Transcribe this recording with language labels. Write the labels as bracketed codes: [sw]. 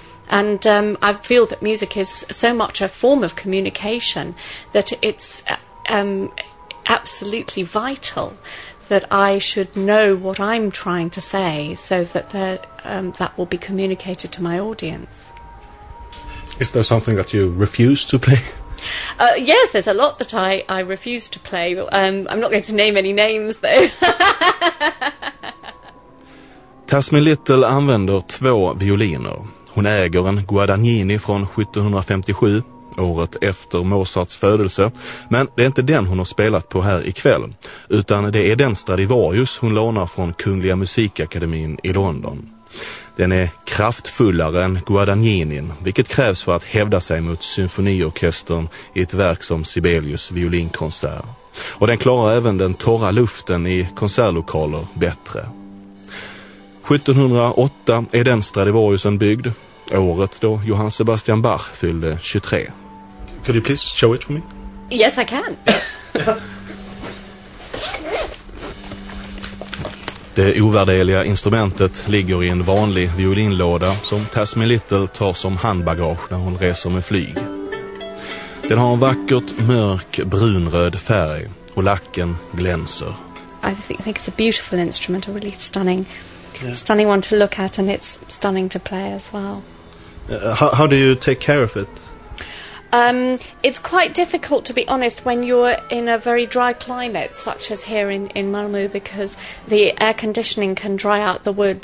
[en] And I feel that music is so much a form of communication that it's absolutely vital that I should know what I'm trying to say so that that will be communicated to my audience. Is there something that you refuse to play? Yes, there's a lot that I refuse to play. I'm not going to name any names, though. [sv] Tasmin Little använder två violiner. Hon äger en Guadagnini från 1757, året efter Mozarts födelse. Men det är inte den hon har spelat på här ikväll, utan det är den Stradivarius hon lånar från Kungliga Musikakademin i London. Den är kraftfullare än Guadagninin, vilket krävs för att hävda sig mot symfoniorkestern i ett verk som Sibelius violinkonsert. Och den klarar även den torra luften i konsertlokaler bättre. 1708 är den Stradivariusen byggd, året då Johann Sebastian Bach fyllde 23. [en] Could you please show it for me? Yes, I can. [sv] Det ovärdeliga instrumentet ligger i en vanlig violinlåda som Tasmin Little tar som handbagage när hon reser med flyg. Den har en vackert mörk brunröd färg och lacken glänser. [en] I think it's a beautiful instrument, a really stunning, stunning one to look at, and it's stunning to play as well. How do you take care of it? It's quite difficult, to be honest, when you're in a very dry climate, such as here in Malmö, because the air conditioning can dry out the wood.